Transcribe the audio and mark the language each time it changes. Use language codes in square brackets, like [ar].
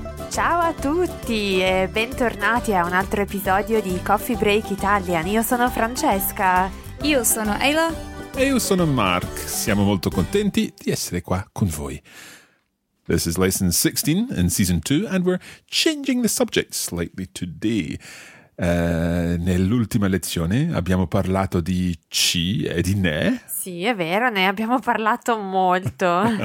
[it] Ciao a tutti e bentornati a un altro episodio di Coffee Break Italian. Io sono Francesca. Io sono Ayla. E io sono Mark. Siamo molto contenti di essere qua con voi. [en] This is lesson 16 in season 2 and we're changing the subject slightly today. [it] Nell'ultima lezione abbiamo parlato di ci e di ne. Sì, è vero, ne abbiamo parlato molto.